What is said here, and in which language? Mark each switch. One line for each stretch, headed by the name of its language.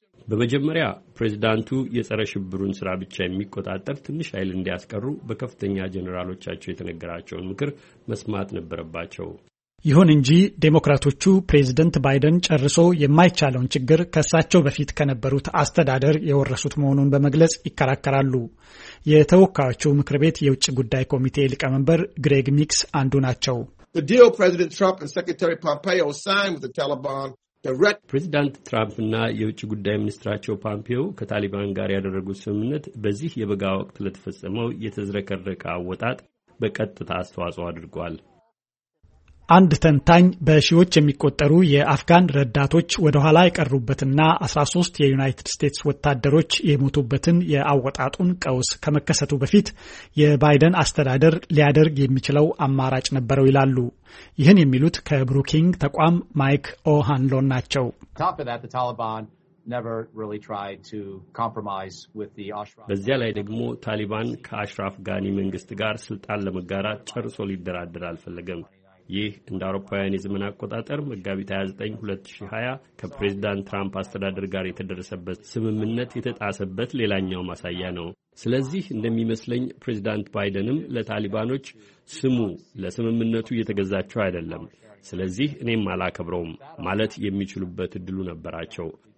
Amharic: በመጀመሪያ ፕሬዝዳንቱ የጸረ ሽብሩን ስራ ብቻ የሚቆጣጠር ትንሽ ኃይል እንዲያስቀሩ በከፍተኛ ጀነራሎቻቸው የተነገራቸውን ምክር መስማት ነበረባቸው። ይሁን እንጂ ዴሞክራቶቹ ፕሬዝደንት ባይደን ጨርሶ የማይቻለውን ችግር ከሳቸው በፊት ከነበሩት አስተዳደር የወረሱት መሆኑን በመግለጽ ይከራከራሉ። የተወካዮቹ ምክር ቤት የውጭ ጉዳይ ኮሚቴ ሊቀመንበር ግሬግ ሚክስ አንዱ ናቸው።
English: The deal President Trump and Secretary Pompeo signed with the Taliban.
Amharic: ፕሬዚዳንት ትራምፕ እና የውጭ ጉዳይ ሚኒስትራቸው ፓምፒዮ ከታሊባን ጋር ያደረጉት ስምምነት በዚህ የበጋ ወቅት ለተፈጸመው የተዝረከረከ አወጣጥ በቀጥታ አስተዋጽኦ አድርጓል። አንድ ተንታኝ በሺዎች የሚቆጠሩ የአፍጋን ረዳቶች ወደ ኋላ የቀሩበትና 13 የዩናይትድ ስቴትስ ወታደሮች የሞቱበትን የአወጣጡን ቀውስ ከመከሰቱ በፊት የባይደን አስተዳደር ሊያደርግ የሚችለው አማራጭ ነበረው ይላሉ። ይህን የሚሉት ከብሩኪንግ ተቋም ማይክ ኦሃንሎን ናቸው።
English: never really tried to compromise with the Ashraf.
Amharic: በዚያ ላይ ደግሞ ታሊባን ከአሽራፍ ጋኒ መንግስት ጋር ስልጣን ለመጋራት ጨርሶ ሊደራደር አልፈለገም። ይህ እንደ አውሮፓውያን የዘመን አቆጣጠር መጋቢት 29 2020 ከፕሬዝዳንት ትራምፕ አስተዳደር ጋር የተደረሰበት ስምምነት የተጣሰበት ሌላኛው ማሳያ ነው። ስለዚህ እንደሚመስለኝ ፕሬዝዳንት ባይደንም ለታሊባኖች ስሙ ለስምምነቱ የተገዛቸው አይደለም። ስለዚህ እኔም አላከብረውም ማለት የሚችሉበት እድሉ ነበራቸው።